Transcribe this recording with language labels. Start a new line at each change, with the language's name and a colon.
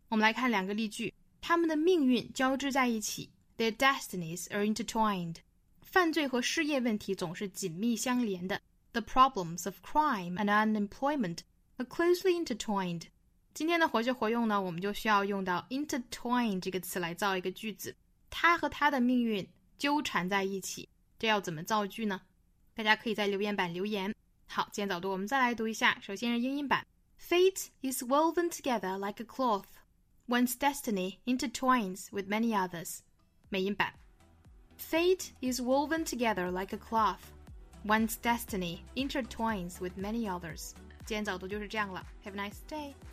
Chinese: 我们来看两个例句，他们的命运交织在一起，
English: Their destinies are intertwined，
Chinese: 犯罪和失业问题总是紧密相连的，
English: The problems of crime and unemployment are closely intertwined。
Chinese: 今天的活学活用呢，我们就需要用到 intertwine 这个词来造一个句子，他和他的命运纠缠在一起，这要怎么造句呢？大家可以在留言板留言。好，今天早读我们再来读一下，首先是英音版。
English: Fate is woven together like a cloth, one's destiny intertwines with many others.
Chinese: 美音版。
English: Fate is woven together like a cloth, one's destiny intertwines with many others.
Chinese: 今天早读就是这样了，
English: Have a nice day.